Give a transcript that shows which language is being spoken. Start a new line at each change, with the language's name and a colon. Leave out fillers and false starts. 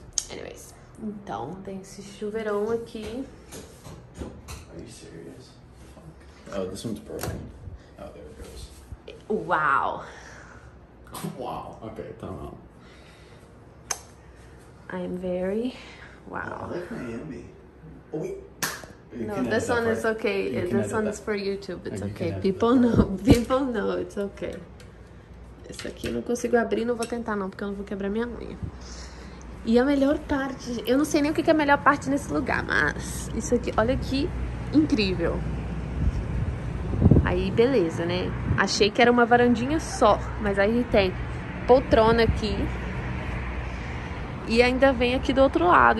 Portuguese: Anyways, então tem esse chuveirão aqui.
English: Are you serious? Oh, this one's broken. Oh, there it goes. Wow. Wow. Okay,
Portuguese: tá bom.
English: I'm very wow. Oh, Miami. Oh, wait. You no, this one part. Is okay. You this one is for YouTube. It's you okay. People know. People know. It's okay.
Portuguese: Esse aqui eu não consigo abrir, não vou tentar não, porque eu não vou quebrar minha unha. E a melhor parte, eu não sei nem o que é a melhor parte nesse lugar, mas isso aqui, olha que incrível. Aí, beleza, né? Achei que era uma varandinha só, mas aí tem poltrona aqui e ainda vem aqui do outro lado.